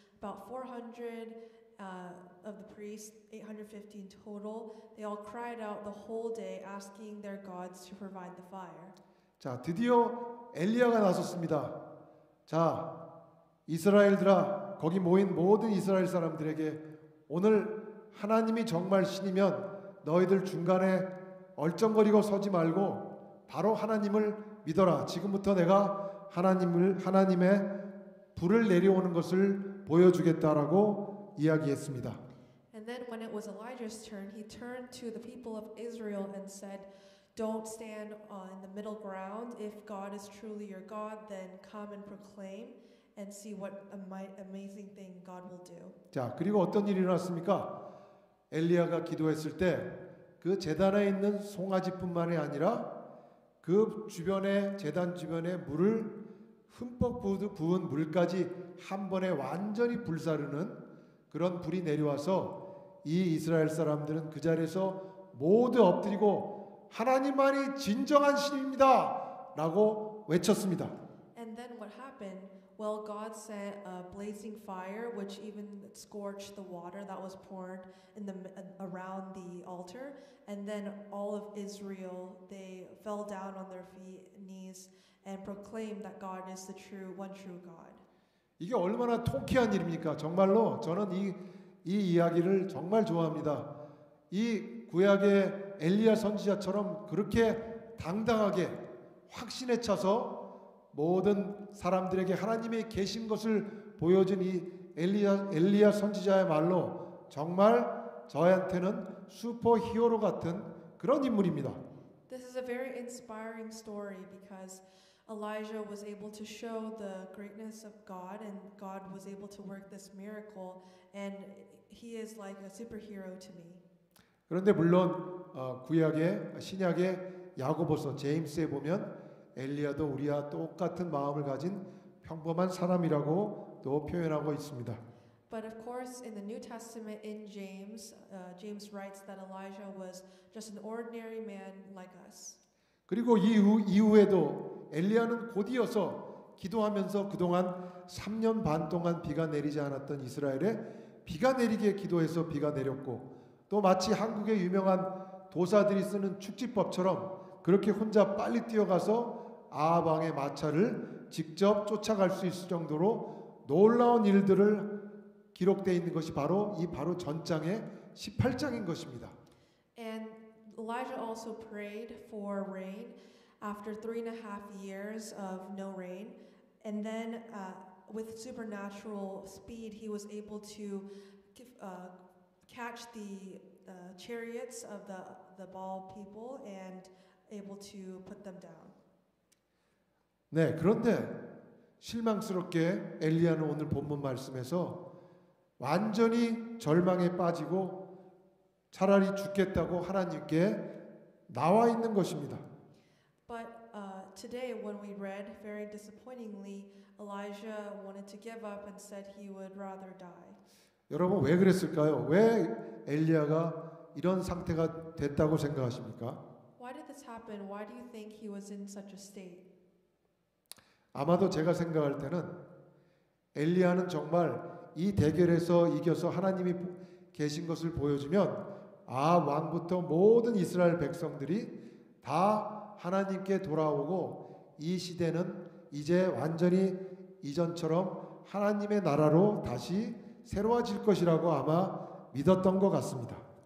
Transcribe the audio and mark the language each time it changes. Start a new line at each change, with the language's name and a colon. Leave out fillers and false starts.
English: About 400 of the priests, 850 in total, they all cried out the whole day asking their gods to provide the fire.
Korean: 자, 드디어 엘리야가 나섰습니다. 자, 이스라엘들아, 거기 모인 모든 이스라엘 사람들에게 오늘 하나님이 정말 신이면 너희들 중간에 얼쩡거리고 서지 말고 바로 하나님을 믿어라. 지금부터 내가 하나님의 불을 내려오는 것을 보여주겠다라고 이야기했습니다.
English: And then when it was Elijah's turn, he turned to the people of Israel and said, "Don't stand on the middle ground. If God is truly your God, then come and proclaim and see what amazing thing God will do."
Korean: 자, 그리고 어떤 일이 일어났습니까? 엘리야가 기도했을 때 그 제단에 있는 송아지뿐만이 아니라 그 주변에 제단 주변에 물을 흠뻑 부은 물까지 한 번에 완전히 불사르는 그런 불이 내려와서 이 이스라엘 사람들은 그 자리에서 모두 엎드리고 하나님만이 진정한 신입니다 라고 외쳤습니다.
English: And then what happened? Well, God sent a blazing fire which even scorched the water that was poured in the around the altar, and then all of Israel they fell down on their feet knees and proclaimed that God is the true one true God.
Korean: 이게 얼마나 통쾌한 일입니까? 정말로 저는 이 이야기를 정말 좋아합니다. 이 구약의 엘리야 선지자처럼 그렇게 당당하게 확신에 차서 모든 사람들에게 하나님의 계신 것을 보여준 이 엘리야 선지자의 말로 정말 저한테는 슈퍼 히어로 같은 그런 인물입니다.
English: This is a very inspiring story because Elijah was able to show the greatness of God and God was able to work this miracle and he is like a superhero to me.
Korean: 그런데 물론 구약의 신약의 야고보서 제임스에 보면 엘리야도 우리와 똑같은 마음을 가진 평범한 사람이라고 또 표현하고 있습니다.
English: But of course in the New Testament in James, James writes that Elijah was just an ordinary man like us.
Korean: 그리고 이후에도 엘리야는 곧이어서 기도하면서 그동안 3년 반 동안 비가 내리지 않았던 이스라엘에 비가 내리게 기도해서 비가 내렸고 또 마치 한국의 유명한 도사들이 쓰는 축지법처럼 그렇게 혼자 빨리 뛰어가서 아합 왕의 마차를 직접 쫓아갈 수 있을 정도로 놀라운 일들을 기록되어 있는 것이 바로 이 바로 전장의 18장인 것입니다.
English: And Elijah also prayed for rain after 3.5 years of no rain. And then with supernatural speed, he was able to catch the chariots of the Baal people and able to put them down.
Korean: 네, 그런데 실망스럽게 엘리야는 오늘 본문 말씀에서 완전히 절망에 빠지고 차라리 죽겠다고 하나님께 나와 있는 것입니다.
English: But today when we read very disappointingly Elijah wanted to give up and said he would rather die.
Korean: 여러분 왜 그랬을까요? 왜 엘리야가 이런 상태가 됐다고 생각하십니까?
English: Why did this happen? Why do you think he was in such a state?
Korean: 아마도 제가 생각할 때는 엘리야는 정말 이 대결에서 이겨서 하나님이 계신 것을 보여주면 아 왕부터 모든 이스라엘 백성들이 다 하나님께 돌아오고 이 시대는 이제 완전히 이전처럼 하나님의 나라로 다시 새로워질 것이라고 아마 믿었던 것 같습니다.